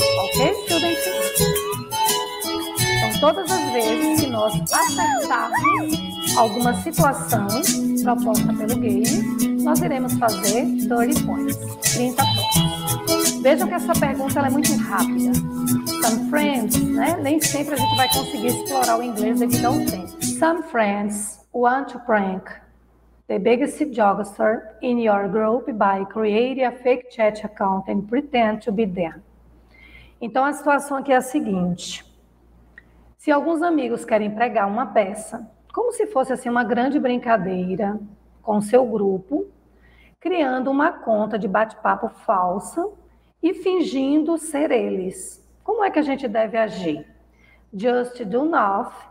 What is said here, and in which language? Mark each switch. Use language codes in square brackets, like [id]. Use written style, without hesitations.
[en] Ok, students? [pt] Todas as vezes que nós acertarmos alguma situação proposta pelo game, nós iremos fazer [en] 30 points, [pt] 30 pontos. Vejam que essa pergunta ela é muito rápida. [en] Some friends, [pt] né? Nem sempre a gente vai conseguir explorar o inglês devido ao tempo. [en] Some friends want to prank the biggest jokester in your group by creating a fake chat account and pretend to be them. [pt] Então a situação aqui é a seguinte. Se alguns amigos querem pregar uma peça, como se fosse assim uma grande brincadeira com seu grupo, criando uma conta de bate-papo falsa e fingindo ser eles. Como é que a gente deve agir? [en] Just do not.